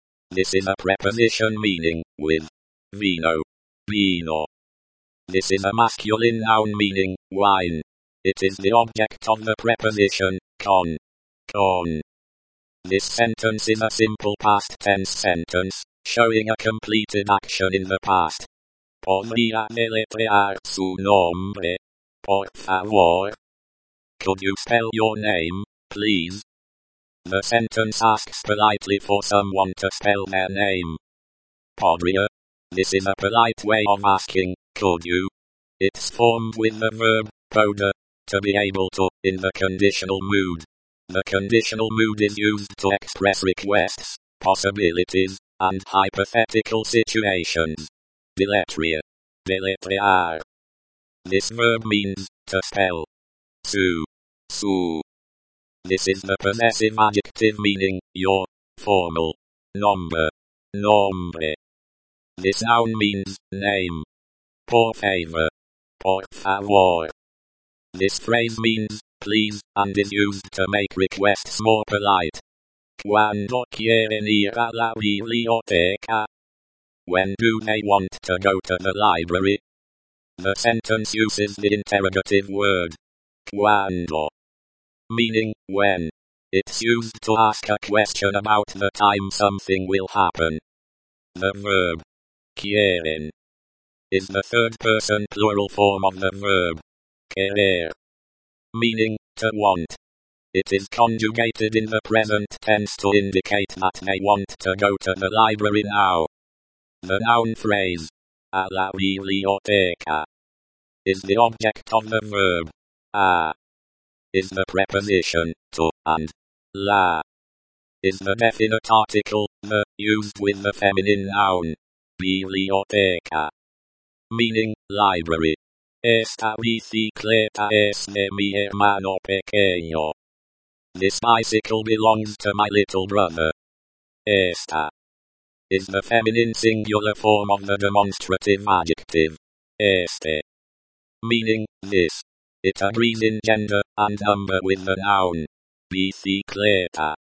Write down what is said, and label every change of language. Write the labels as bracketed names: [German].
[English] This is a preposition meaning, with, vino, vino. This is a masculine noun meaning, wine. It is the object of the preposition, con, con. This sentence is a simple past tense sentence, showing a completed action in the past. [Spanish] ¿Podría deletrear su nombre, por favor? [English] Could you spell your name, please? The sentence asks politely for someone to spell their name. ¿Podría? This is a polite way of asking, could you? It's formed with the verb, poder, to be able to, in the conditional mood. The conditional mood is used to express requests, possibilities, and hypothetical situations. Deletrear. Deletrear. This verb means, to spell. Su. Su. This is the possessive adjective meaning, your, formal, number, nombre. This noun means, name. [Spanish] Por favor. Por favor. [English] This phrase means, please, and is used to make requests more polite. [Spanish] ¿Cuándo quieren ir a la biblioteca? [English] When do they want to go to the library? The sentence uses the interrogative word. ¿Cuándo? Meaning, when. It's used to ask a question about the time something will happen. The verb. Quieren. Is the third person plural form of the verb. Querer. Meaning, to want. It is conjugated in the present tense to indicate that they want to go to the library now. The noun phrase, [Spanish] a la biblioteca, [English] is the object of the verb, a, is the preposition, to, and, la, is the definite article, the, used with the feminine noun, biblioteca, meaning, library. [Spanish] Esta bicicleta es de mi hermano pequeño. [English] This bicycle belongs to my little brother. Esta is the feminine singular form of the demonstrative adjective. Este. Meaning, this. It agrees in gender and number with the noun. Bicicleta.